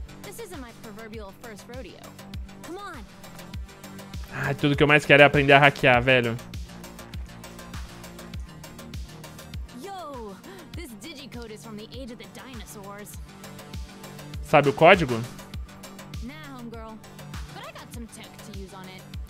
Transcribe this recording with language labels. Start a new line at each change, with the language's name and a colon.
English: This isn't my proverbial first rodeo. Come on.
Portuguese: Ah, tudo que eu mais quero é aprender a hackear, velho.
English: Yo, this digicode is from the age of the dinosaurs.
Portuguese: Sabe o código?
English: Nah, homegirl. But I got some tech to use on it.